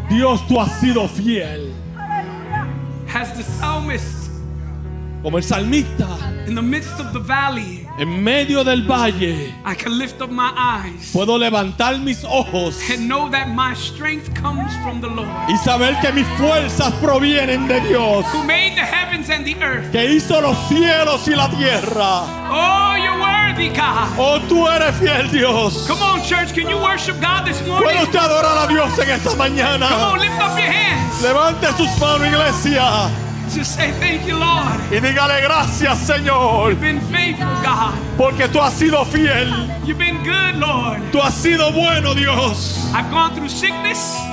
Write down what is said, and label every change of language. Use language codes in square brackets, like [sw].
[es] Dios, tú has sido fiel. [en] Has the psalmist. [es] Como el salmista. [en] In the midst of the valley. [es] En medio del valle. [en] I can lift up my eyes. [es] Puedo levantar mis ojos. [en] And know that my strength comes from the Lord. [es] Y saber que mis fuerzas provienen de Dios. [en] Who made the heavens and the earth. [es] Que hizo los cielos y la tierra. [en] Oh, you're worthy, God. [es] Oh, tú eres fiel, Dios. [en] Come on, church, can you worship God this morning? [es] ¿Puedo usted adorar a Dios en esta mañana? [en] Come on, lift up your hands. [es] Levante sus manos, iglesia. [en] Just say thank you, Lord. [es] Y dígale gracias, Señor. [en] You've been faithful, God. [es] Porque tú has sido fiel. [en] You've been good, Lord. [es] Tú has sido bueno, Dios. [en] I've gone through sickness.